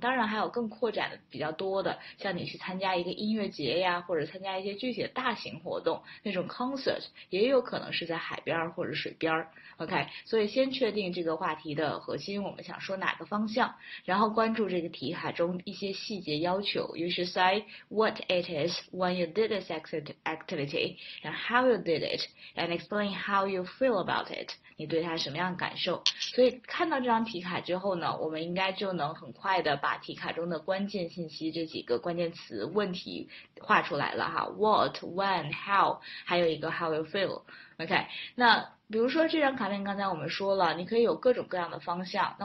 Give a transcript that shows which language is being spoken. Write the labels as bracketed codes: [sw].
[zh] 当然还有更扩展的比较多的，像你去参加一个音乐节呀，或者参加一些具体的大型活动，那种 concert 也有可能是在海边或者水边。 OK，所以先确定这个话题的核心，我们想说哪个方向，然后关注这个题海中一些细节要求。 [en] You should say what it is when you did this activity and how you did it and explain how you feel about it。 [zh] 你对它什么样的感受？所以看到这张题卡之后呢，我们应该就能很快的把题卡中的关键信息这几个关键词问题画出来了哈。 [en] What, when, how， [zh] 还有一个 [en] how you feel。OK，那。 [zh] 比如说这张卡片，刚才我们说了，你可以有各种各样的方向。